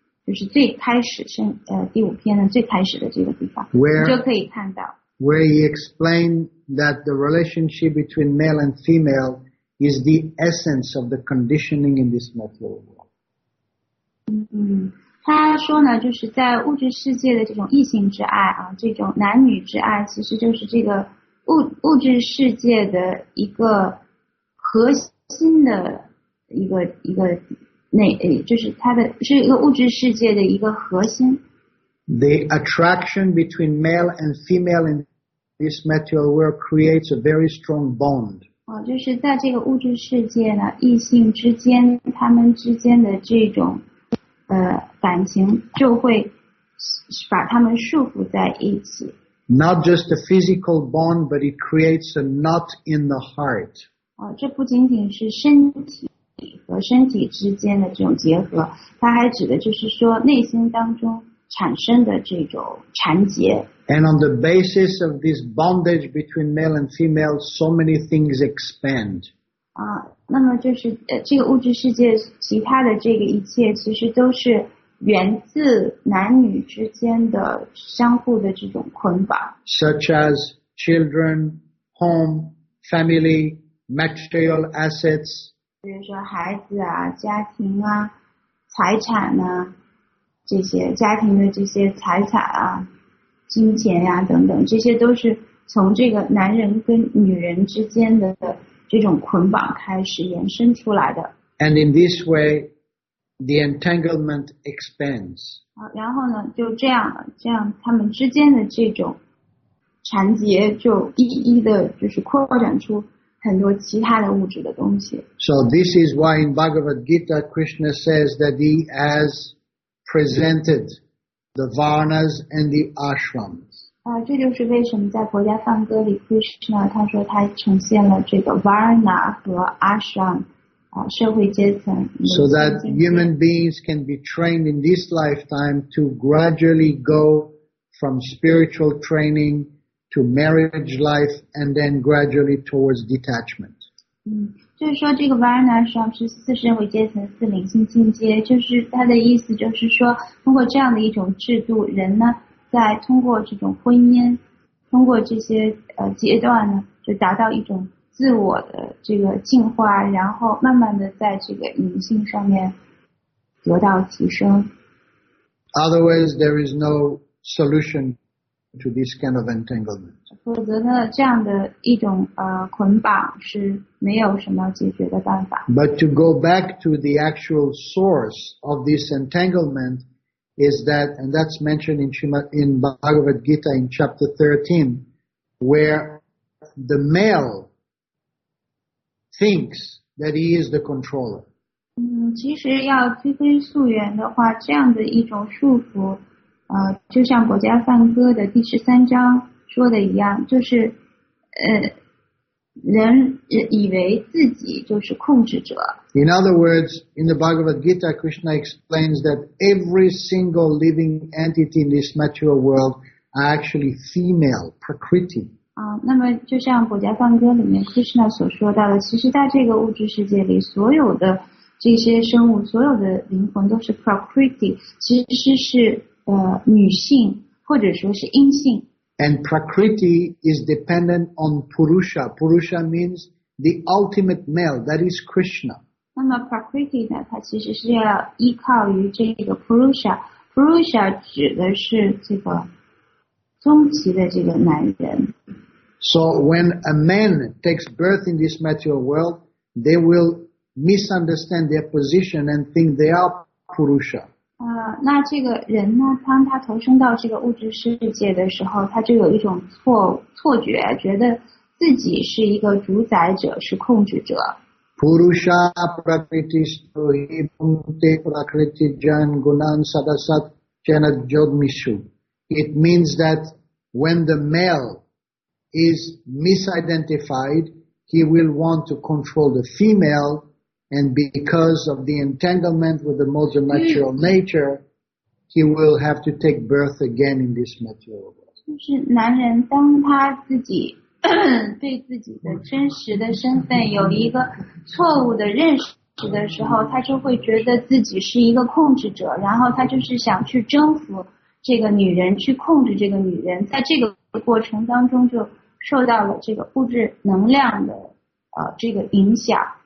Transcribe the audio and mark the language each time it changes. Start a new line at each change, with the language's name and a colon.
Chinese: 就是最开始圣第五篇的最开始的这个地方
English: where,
Chinese: 你就可以看到
English: where he explained that the relationship between male and female is the essence of the conditioning in this material world.
Chinese: 他说呢就是在物质世界的这种异性之爱啊，这种男女之爱其实就是这个 物质世界的一个核心的一个那就是它的是一个物质世界的一个核心。
English: The attraction between male and female in this material world creates a very strong bond.
Chinese: 就是在这个物质世界呢，异性之间，他们之间的这种感情就会把他们束缚在一起。
English: Not just a physical bond, but it creates a knot in the heart.
Chinese: 这不仅仅是身体。和身体之间的这种结合，它还指的就是说内心当中产生的这种缠结。
English: And on the basis of this bondage between male and female, so many things expand.
Chinese: 那么就是这个物质世界其他的这个一切，其实都是源自男女之间的相互的这种捆绑。
English: Such as children, home, family, material assets.
Chinese: 比如说孩子啊家庭啊财产啊这些家庭的这些财产啊金钱啊等等这些都是从这个男人跟女人之间的这种捆绑开始延伸出来的。
English: And in this way, the entanglement expands.
Chinese: 然后呢就这样了这样他们之间的这种缠结就一的就是扩展出很多其他的物质的东西。
English: So this is why in Bhagavad Gita, Krishna says that he has presented the varnas and the ashrams.
Chinese: 这就是为什么在佛家梵歌里 ，Krishna 他说他呈现了这个 varna 和 ashram， 社会阶层。
English: So that human beings can be trained in this lifetime to gradually go from spiritual training. To marriage life and then gradually towards detachment.
Chinese: 就是说这个 Varna Ashram 是四社会阶层四灵性境界，就是它的意思就是说，通过这样的一种制度，人呢，在通过这种婚姻，通过这些阶段呢，就达到一种自我的这个进化，然后慢慢的在这个灵性上面得到提升。
English: Otherwise, there is no solution. To this kind of entanglement.
Chinese: 否则呢，这样的一种捆绑是没有什么解决的办法。
English: But to go back to the actual source of this entanglement is that, and that's mentioned in Bhagavad Gita in chapter 13, where the male thinks that he is the controller.
Chinese: 其实要追根溯源的话，这样的一种束缚。就像国家梵歌的第十三章说的一样，就是人以为自己就是控制者。
English: In other words, in the Bhagavad Gita, Krishna explains that every single living entity in this material world are actually female, prakriti.
Chinese: 那么就像国家梵歌里面 Krishna 所说到的，其实在这个物质世界里，所有的这些生物，所有的灵魂都是 prakriti， 其实是女性或者说是阴性。
English: And prakriti is dependent on purusha. Purusha means the ultimate male, that is Krishna.
Chinese: 那么 prakriti 呢，它其实是要依靠于这个 purusha. Purusha 指的是这个终极的这个男人。
English: So when a man takes birth in this material world, they will misunderstand their position and think they are purusha.
Chinese: 那这个人呢，当他投生到这个物质世界的时候，他就有一种错觉，觉得自己是一个主宰者，是控制者。
Sanskrit: Purusha prakriti sthuhi bhunte prakriti jan gunan sadasat janat jogmishu.
English: It means that when the male is misidentified, he will want to control the female. And because of the entanglement with the most natural nature, he will have to take birth again in this material world.
Chinese: 就是男人当他自己对自己的真实的身份有一个错误的认持的时候，他就会觉得自己是一个控制者，然后他就是想去征服这个女人，去控制这个女人，在这个过程当中就受到了这个物质能量的这个影响。